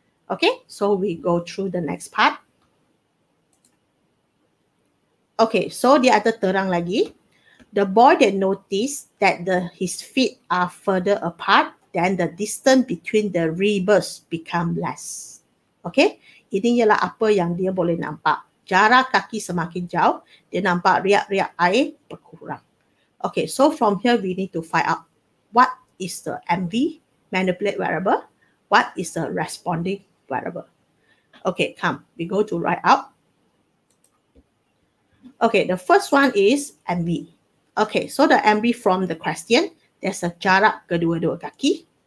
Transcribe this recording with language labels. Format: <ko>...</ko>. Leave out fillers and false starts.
<en>Okay, so we go through the next part. Okay, so dia ada terang lagi. The boy that noticed that his feet are further apart, then the distance between the ribs become less. Okay?</en> <ms>Ini ialah apa yang dia boleh nampak. Jarak kaki semakin jauh, dia nampak riak-riak air berkurang.</ms> <en>Okay, so from here we need to find out what is the MV, manipulate variable, what is the responding variable. Okay, come. We go to write out. Okay, the first one is MV. Okay, so the MV from the question, there's a jarak kedua-dua kaki.</en>